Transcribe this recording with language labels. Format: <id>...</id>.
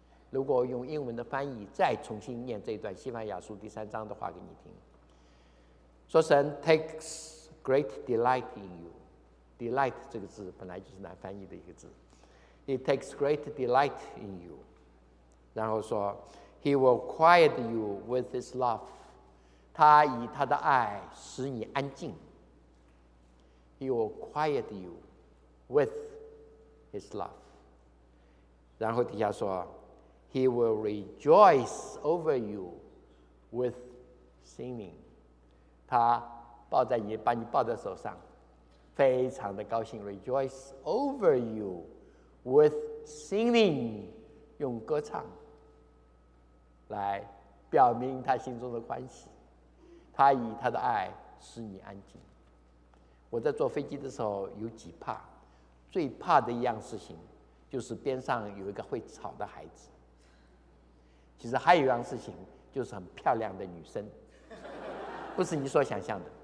<zh>如果用英文的翻译再重新念这一段西番雅书第三章的话给你听，说神</zh> <en>takes great delight in you，</en> <zh>delight 这个字本来就是难翻译的一个字，</zh> <en>he takes great delight in you，</en> <zh>然后说</zh> <en>he will quiet you with his love，</en> <zh>他以他的爱使你安静。</zh> <en>He will quiet you with his love.</en> <zh>然后底下说</zh> <en>He will rejoice over you with singing.</en> <zh>他抱在你，把你抱在手上，非常的高兴。</zh> <en>Rejoice over you with singing.</en> <zh>用歌唱来表明他心中的欢喜。他以他的爱使你安静。我在坐飞机的时候有几怕，最怕的一样事情就是边上有一个会吵的孩子，其实还有一样事情就是很漂亮的女生，不是你所想象的。</zh>